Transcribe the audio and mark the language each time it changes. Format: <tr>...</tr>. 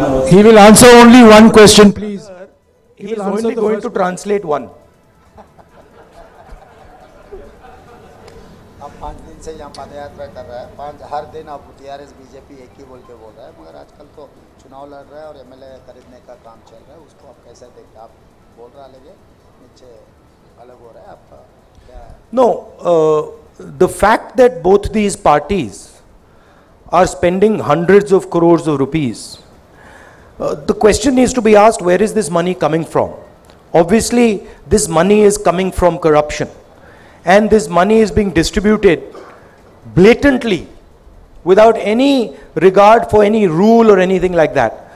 <en>He will answer only one question, please. He is only going to translate one.</en> <hi>आप पांच दिन से यहाँ पदयात्रा कर रहे हैं पांच हर दिन आप टीआरएस बीजेपी एक ही बोल के बोल रहे हैं मगर आजकल तो चुनाव लड़ रहा है और एमएलए खरीदने का काम चल रहा है उसको आप कैसे देखते हैं आप बोल रहा लगे नीचे अलग हो रहा है आप क्या</hi> <en>Know the fact that both these parties are spending hundreds of crores of rupees. The question needs to be asked, where is this money coming from? Obviously, this money is coming from corruption. And this money is being distributed blatantly without any regard for any rule or anything like that.</en>